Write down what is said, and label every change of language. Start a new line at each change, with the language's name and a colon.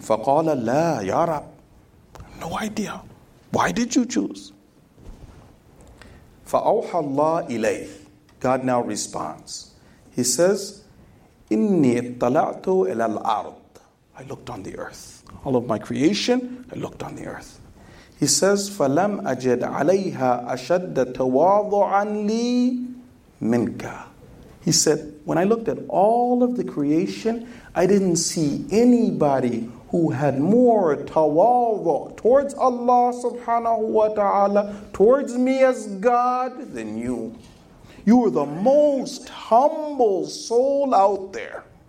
Arabic: فَقَالَ لَا يَا رَبْ.
English: No idea. Why did you choose?
Arabic: فَأَوْحَى اللَّهُ إِلَيْهِ.
English: God now responds. He says,
Arabic: إِنِّي اطَّلَعْتُ إِلَى الْأَرْضِ.
English: I looked on the earth. All of my creation, I looked on the earth.
Arabic: He says, فَلَمْ أَجَدْ عَلَيْهَا أَشَدَّ تَوَاضُعًا لِي مِنْكَ.
English: He said, when I looked at all of the creation, I didn't see anybody who had more tawadhu towards Allah subhanahu wa ta'ala, towards me as God, than you. You are the most humble soul out there.